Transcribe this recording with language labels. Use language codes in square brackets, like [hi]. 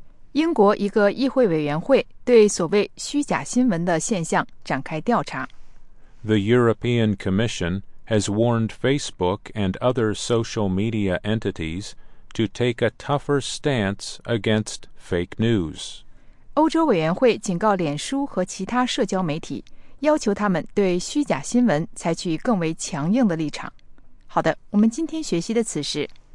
[zh] 英国一个议会委员会对所谓虚假新闻的现象展开调查。 [en] The European Commission has warned Facebook and other social media entities to take a tougher stance against fake news. [zh] 欧洲委员会警告脸书和其他社交媒体，要求他们对虚假新闻采取更为强硬的立场。好的，我们今天学习的词是